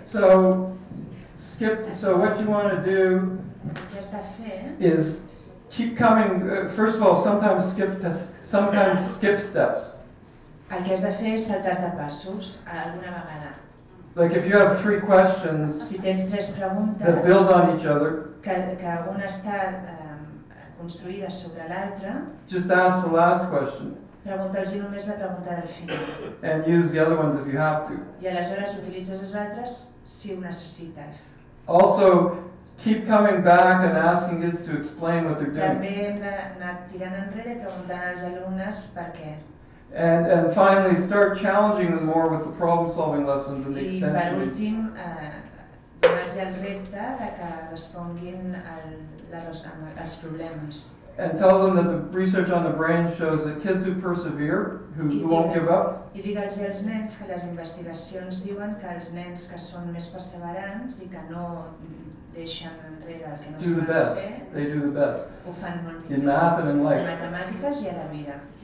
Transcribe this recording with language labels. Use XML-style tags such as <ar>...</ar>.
<en>So, what you want to do is keep coming. First of all, sometimes skip steps.</en> <ca>El que has de fer és saltar-te passos alguna vegada.</ca> <en>Like if you have three questions,</en> <ca>si tens tres preguntes,</ca> <en>that build on each other,</en> <ca>que una està construïda sobre l'altra,</ca> <en>just ask the last question.</en> <ca>Pregunta'ls-hi només la pregunta del final.</ca> <en>And use the other ones if you have to.</en> <ca>I aleshores utilitzes les altres si ho necessites.</ca> <en>Also, keep coming back and asking kids to explain what they're doing.</en> <ca>També hem d'anar tirant enrere i preguntant als alumnes per què.</ca> <en>And finally, start challenging them more with the problem-solving lessons and the extension.</en> <ca>I per últim, donar-los el repte de que responguin als problemes.</ca> <en>And tell them that the research on the brain shows that kids who persevere, who won't give up,</en> <ca>i digue'ls als nens que les investigacions diuen que els nens que són més perseverants i que no deixen enrere el que no s'ha de fer,</ca> <en>they do the best.</en> <ca>Ho fan molt millor.</ca> <en>In math and in life.</en> <ca>En matemàtiques i a la vida.</ca>